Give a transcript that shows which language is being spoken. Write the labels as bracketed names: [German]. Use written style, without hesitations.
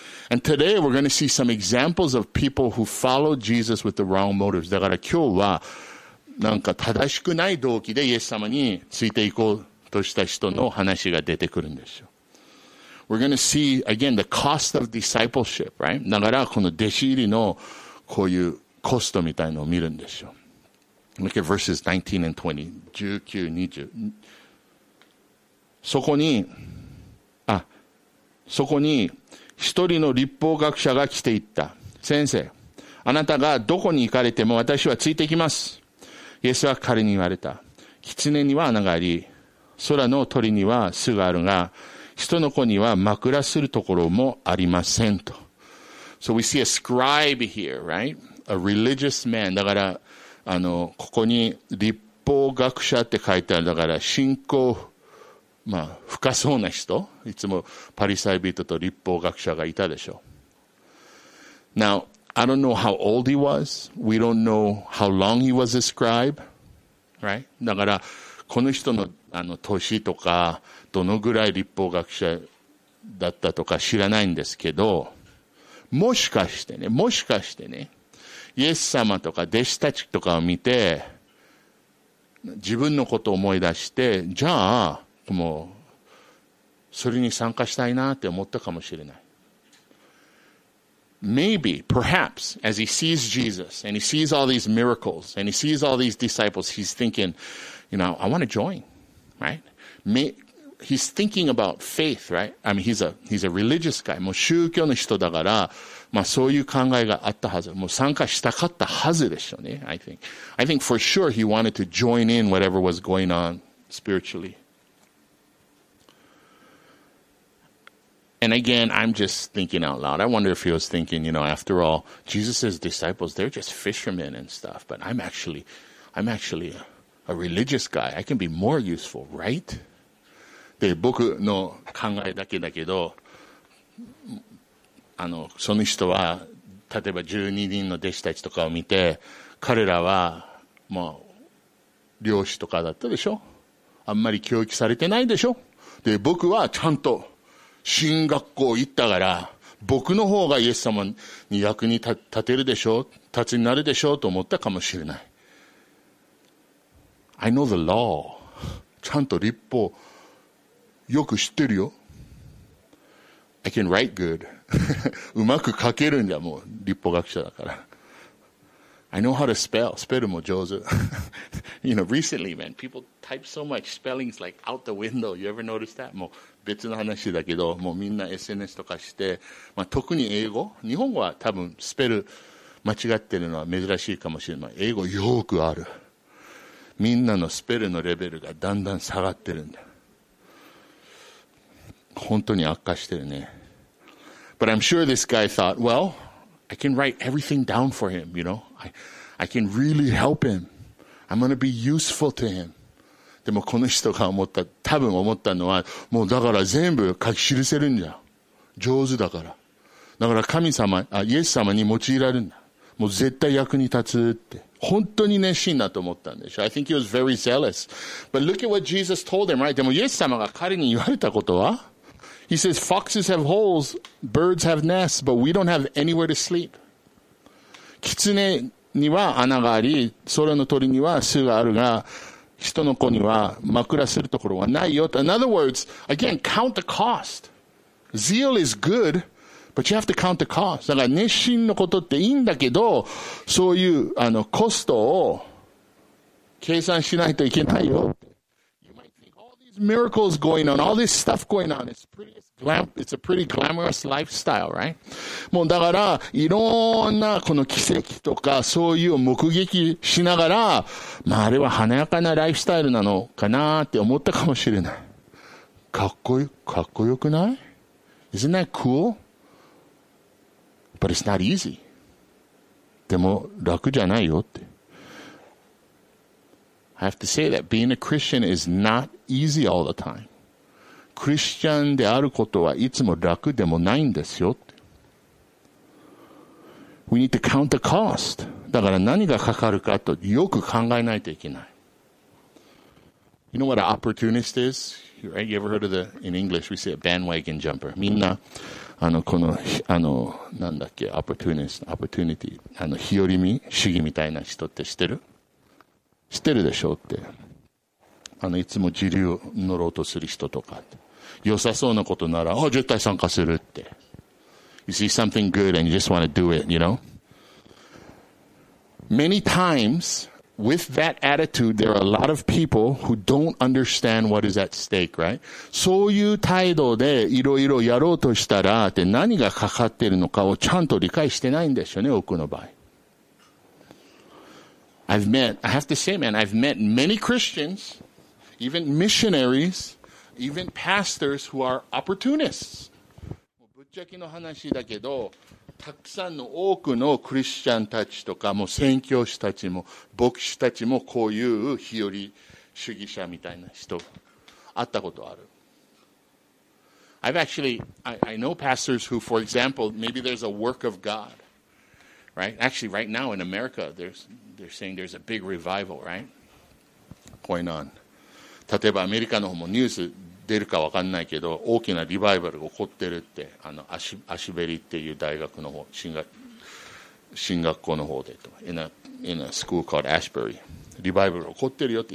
[English] And today we're going to see some examples of people who followed Jesus with the wrong motives. [Japanese] だから今日はなんか正しくない動機でイエス様についていこうとした人の話が出てくるんでしょう。 [English] We're going to see again the cost of discipleship, right? [Japanese] だからこの弟子入りのこういうコストみたいのを見るんでしょう。 [English] Look at verses 19 and 20. [Japanese] そこに、そこに一人の律法学者が来ていった。先生、あなたがどこに行かれても私はついてきます。イエスは彼に言われた。狐には穴があり、空の鳥には巣があるが、人の子には枕するところもありませんと。 [English] So we see a scribe here, right? A religious man. [Japanese] だから、ここに律法学者って書いてある。だから、信仰、深そうな人。いつもパリサイ人と律法学者がいたでしょう。 [English] Now, I don't know how old he was. We don't know how long he was a scribe. Right? [Japanese] だから、この人の、年とか、どのぐらい律法学者だったとか知らないんですけど、もしかしてね、もしかしてね、イエス様とか弟子たちとかを見て、自分のことを思い出して、じゃあ、もう、それに参加したいなって思ったかもしれない。 [English] Maybe, perhaps, as he sees Jesus and he sees all these miracles and he sees all these disciples, he's thinking, you know, I want to join, right? He's thinking about faith, right? I mean, he's a religious guy. [Japanese] もう宗教の人だから、まあそういう考えがあったはず。もう参加したかったはずでしょうね、 [English] I think for sure he wanted to join in whatever was going on spiritually. And again, I'm just thinking out loud. I wonder if he was thinking, you know, after all, Jesus' disciples, they're just fishermen and stuff, but I'm actually a religious guy. I can be more useful, right? [Japanese] で、僕の考えだけだけど、その人は、例えば12人の弟子たちとかを見て、彼らは、まあ、漁師とかだったでしょ？あんまり教育されてないでしょ？で、僕はちゃんと、新学校行ったから僕の方がイエス様に役に立てるでしょう、立つになるでしょうと思ったかもしれない。 [English] I know the law. [Japanese] ちゃんと律法よく知ってるよ。 [English] I can write good. [Japanese] うまく書けるんだ、もう律法学者だから。 [English] I know how to spell. [Japanese] スペルも上手。 [English] You know, recently, man, people type so much. Spelling's like out the window. You ever notice that? [Japanese] もう別の話だけど、もうみんな SNS とかして、まあ、特に英語、日本語は多分スペル間違ってるのは珍しいかもしれない。英語よくある。みんなのスペルのレベルがだんだん下がってるんだ。本当に悪化してるね。 [English] But I'm sure this guy thought, well, I can write everything down for him, you know, I can really help him, I'm going to be useful to him。 [Japanese] でもこの人が思った、多分思ったのは、もうだから全部書き記せるんじゃん。上手だから。だから神様、イエス様に用いられるんだ。もう絶対役に立つって。本当に熱心だと思ったんでしょ。 [English] I think he was very zealous. But look at what Jesus told him, right? [Japanese] でもイエス様が彼に言われたことは [English] ?He says, foxes have holes, birds have nests, but we don't have anywhere to sleep. [Japanese] キツネには穴があり、空の鳥には巣があるが、人の子には枕するところはないよと。 [English] In other words, again, count the cost. Zeal is good, but you have to count the cost. [Japanese] だから熱心のことっていいんだけど、そういうコストを計算しないといけないよ。 [English] You might think all these miracles going on, all this stuff going on, it's a pretty glamorous lifestyle, right? [Japanese] もうだから、いろんなこの奇跡とか、そういうを目撃しながら、まああれは華やかなライフスタイルなのかなって思ったかもしれない。かっこよくない？ [English] Isn't that cool? But it's not easy. [Japanese] でも、楽じゃないよって。 [English] I have to say that being a Christian is not easy all the time. [Japanese] クリスチャンであることはいつも楽でもないんですよ。 [English] We need to count the cost. [Japanese] だから何がかかるかとよく考えないといけない。 [English] You know what an opportunist is? Right? You ever heard of the, in English, we say a bandwagon jumper. [Japanese] みんな、この、なんだっけ、opportunist, opportunity, 日和見、主義みたいな人って知ってる？知ってるでしょうって。いつも自流乗ろうとする人とか、良さそうなことなら、絶対参加するって。 [English] You see something good and you just want to do it, you know? Many times, with that attitude, there are a lot of people who don't understand what is at stake, right? [Japanese] そういう態度でいろいろやろうとしたら、何がかかってるのかをちゃんと理解してないんでしょうね、多くの場合。 [English] I have to say, man, I've met many Christians... Even missionaries, even pastors who are opportunists. [Japanese] ぶっちゃけの話だけど、たくさんの多くのクリスチャンたちとか、もう宣教師たちも、牧師たちも、こういう日和主義者みたいな人、会ったことある。 [English] I've actually, I know pastors who, for example, maybe there's a work of God. right? Actually, right now in America, they're saying there's a big revival, right? Going on. [Japanese] 例えばアメリカの方もニュース出るか分かんないけど、大きなリバイバルが起こってるって、あのアシベリっていう大学の方、進学校の方でと、 [English] in a school called Ashbury、 [Japanese] リバイバル起こってるよって。